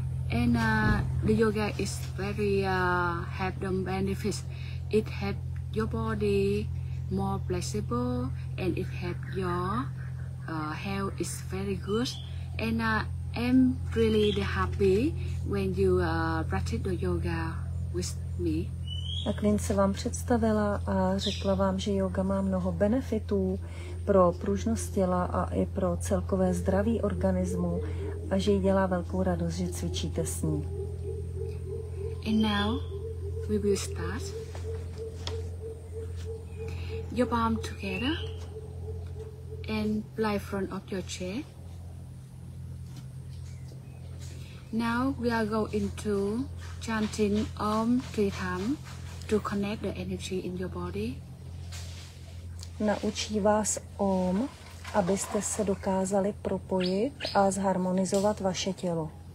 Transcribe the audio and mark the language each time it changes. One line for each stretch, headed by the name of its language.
English: And the yoga is very have the benefits. It help your body more flexible and it help your health is very good. And I'm really happy when you practice the yoga with me.
Czech: Tak Lin se vám představila a řekla vám, že yoga má mnoho benefitů pro pružnost těla a i pro celkové zdraví organismu a že jí dělá velkou radost, že cvičíte s ní.
English: And now we will start. Your palm together and lie front of your chair. Now we are going to chanting Om three times. To connect the energy in your body.
Czech: Naučí vás Om, abyste se dokázali propojit a zharmonizovat vaše tělo.